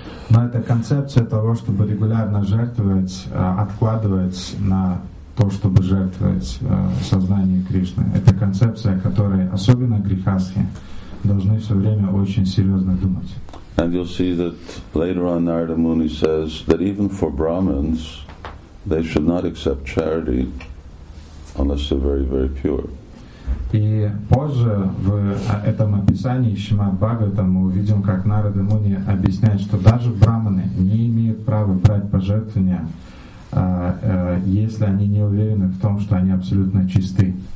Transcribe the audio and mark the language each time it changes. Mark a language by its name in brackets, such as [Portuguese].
[Russian] Но это концепция того, чтобы регулярно жертвовать, откладывать на то, чтобы жертвовать сознание Кришны. Это концепция, которая особенно грихасхи должны все время очень серьезно думать. [English] And you'll see that later on Narada Muni says that even for Brahmins, they should not accept charity unless they're very, very pure. [Russian] И позже в этом описании Шримад Бхагаватам мы увидим, как Нарада Муни объясняет, что даже брахманы не имеют права брать пожертвования, если они не уверены в том, что они абсолютно чисты.